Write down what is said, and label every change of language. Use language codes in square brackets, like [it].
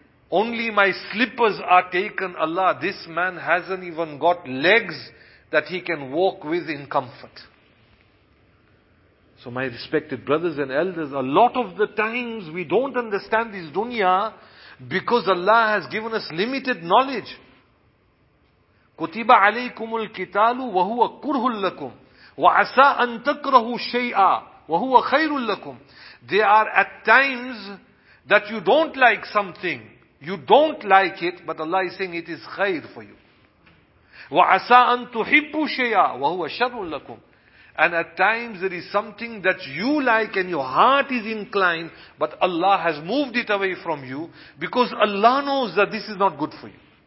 [en] Only my slippers are taken, Allah. This man hasn't even got legs that he can walk with in comfort. So my respected brothers and elders, a lot of the times we don't understand this dunya because Allah has given us limited knowledge. [ar] Kutiba alaykumul الْكِتَالُ وَهُوَ كُرْهٌ لَكُمْ وَعَسَىٰ أَن تَكْرَهُ شَيْئًا وَهُوَ خَيْرٌ لَكُمْ. [en] There are at times that you don't like something. You don't like it, but Allah is saying it is khair for you. [ar] وَعَسَىٰ أَن تُحِبُّ شَيْئًا وَهُوَ شَرٌ لَكُمْ. [en] And at times there is something that you like and your heart is inclined, but Allah has moved it away from you because Allah knows that this is not good for you.